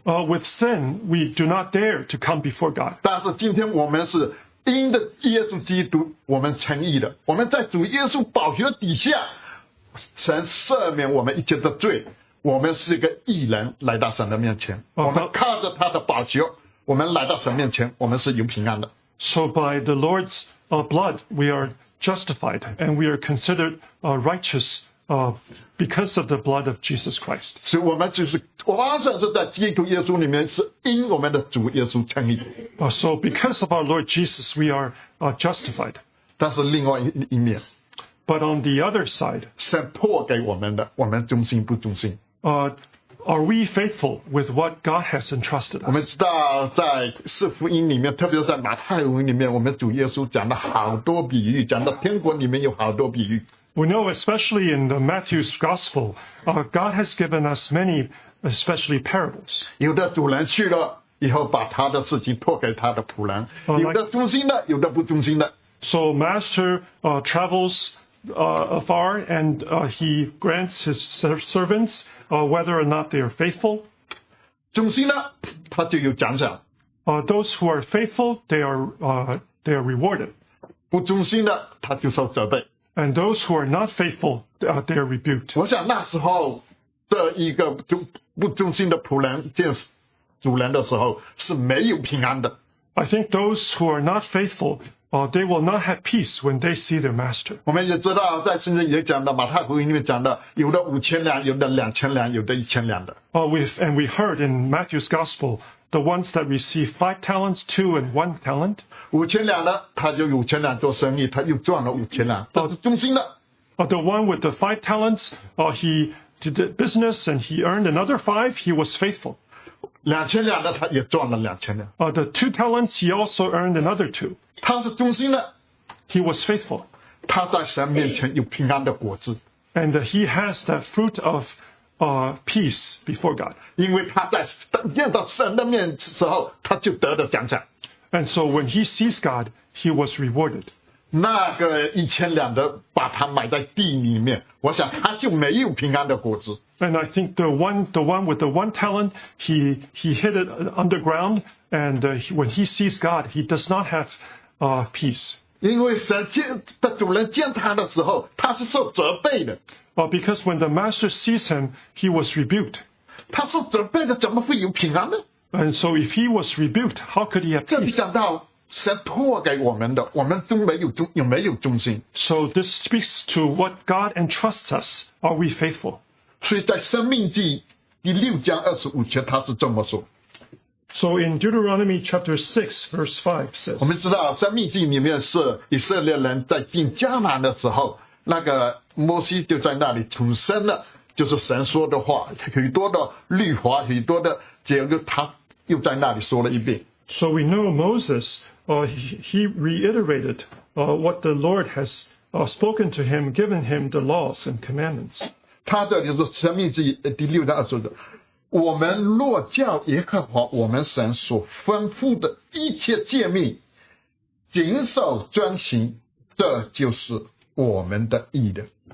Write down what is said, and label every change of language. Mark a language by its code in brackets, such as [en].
[en] With sin, we do not dare to come before God. [zh] 但是今天我们是因着耶稣基督我们称义的，我们在主耶稣宝血底下神赦免我们一切的罪，我们是一个义人来到神的面前，我们靠着他的宝血我们来到神面前，我们是有平安的。 [en] So by the Lord's blood we are justified and we are considered righteous because of the blood of Jesus Christ. [zh] 所以我们就是往生是在基督耶稣里面，是因我们的主耶稣称义。 [en] So because of our Lord Jesus, we are justified. [zh] 但是另外一面。 [en] But on the other side, [zh] 神托给我们的，我们忠心不忠心。 [en] Are we faithful with what God has entrusted us? [zh] 我们知道在四福音里面，特别在马太福音里面，我们主耶稣讲了好多比喻，讲到天国里面有好多比喻。 [en] We know, especially in the Matthew's Gospel, God has given us many, especially parables. [zh] 有的主人去了以后，把他的事情托给他的仆人。有的忠心的，有的不忠心的。 [en] So master travels afar, and he grants his servants whether or not they are faithful. [zh] 忠心的，他就有奖赏。 [en] Those who are faithful, they are rewarded. [zh] 不忠心的，他就受责备。 [en] And those who are not faithful, they are rebuked. [zh] 我想那时候，这一个不忠心的仆人见主人的时候是没有平安的。 [en] I think those who are not faithful, they will not have peace when they see their master. [zh] 我们也知道，在圣经也讲的，马太福音里面讲的，有的五千两，有的两千两，有的一千两的。 [en] And we heard in Matthew's Gospel, the ones that receive 5 talents, 2 and 1 talent. [zh] 五千两的，他就五千两做生意，他又赚了五千两，他是忠心的。 [en] The one with the 5 talents, he did business and he earned another 5, he was faithful. [zh] 两千两的，他也赚了两千两。 [en] The 2 talents, he also earned another 2. [zh] 他是忠心的。 [en] He was faithful. [zh] 他在神面前有平安的果子。 [en] And he has that fruit of peace before God. [zh] 因为他在见到神的面时候，他就得了奖赏。 [en] And so when he sees God, he was rewarded. [zh] 那个一千两的把它埋在地里面，我想他就没有平安的果子。 [en] And I think the one with the one talent, he hid it underground, and when he sees God, he does not have peace. [zh] 因为神见的主人见他的时候，他是受责备的。 [en] Because when the master sees him, he was rebuked. [zh] 他受责备的怎么会有平安呢？ [en] And so if he was rebuked, how could he have peace? [zh] 这里讲到神托给我们的，我们中没有忠，有没有忠心？ [en] So this speaks to what God entrusts us. Are we faithful? [zh] 所以在生命记第六章二十五节，他是这么说。 [en] So in Deuteronomy chapter 6 verse 5 says, [zh] 我们知道生命记里面是以色列人在进迦南的时候，那个摩西就在那里重申了，就是神说的话，许多的律法，许多的诫命，他又在那里说了一遍。 [en] So we know Moses, he reiterated what the Lord has spoken to him, given him the laws and commandments. [zh] 他这里说生命记第六章二十五节，我们若叫耶和华我们神所吩咐的一切诫命谨守遵行，这就是我们的义的。